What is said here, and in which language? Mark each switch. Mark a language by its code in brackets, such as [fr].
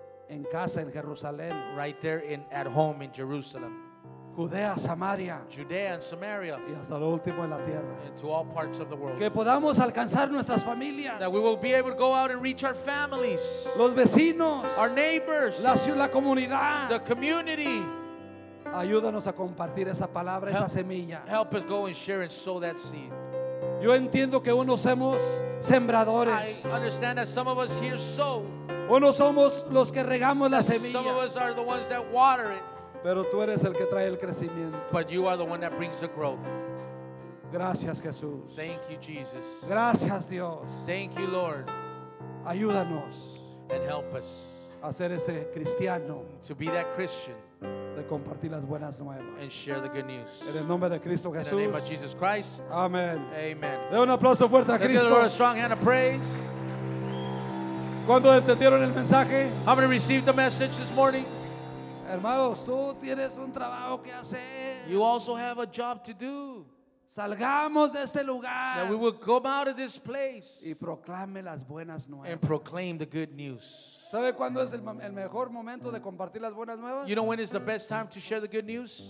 [es] en casa, en Jerusalén, [en] right there in at home in Jerusalem. [es] Judea, Samaria, [en] Judea and Samaria, [es] y hasta lo último en la tierra, [en] and to all parts of the world. [es] Que podamos alcanzar nuestras familias, [en] that we will be able to go out and reach our families, [es] los vecinos, [en] our neighbors, [es] la comunidad, [en] the community. [es] Ayúdanos a compartir esa palabra, [en] help, [es] esa semilla. [en] Help us go and share and sow that seed. [es] Yo entiendo que unos somos sembradores. [en] I understand that some of us here sow. [es] Unos somos los que regamos la semilla. [en] Some of us are the ones that water it. [es] Pero tú eres el que trae el crecimiento. [en] But you are the one that brings the growth. [es] Gracias, Jesús. [en] Thank you, Jesus. [es] Gracias, Dios. [en] Thank you, Lord. [es] Ayúdanos. [en] And help us. [es] A ser ese cristiano. [en] To be that Christian. [es] De compartir las buenas nuevas. [en] And share the good news. [es] En el nombre de Cristo Jesús. [en] In the name of Jesus Christ. [es] Amen. [en] Amen. [es] De un aplauso fuerte a Cristo. [en] Let's give the Lord a strong hand of praise. [es] ¿Cuántos entendieron el mensaje? [en] How many received the message this morning? [es] Hermanos, tú tienes un trabajo que hacer. [en] You also have a job to do. [es] Salgamos de este lugar. [en] That we will come out of this place. [es] Y proclame las buenas nuevas. [en] And proclaim the good news. [es] ¿Sabe cuándo es el mejor momento de compartir las buenas nuevas? [en] You know when is the best time to share the good news?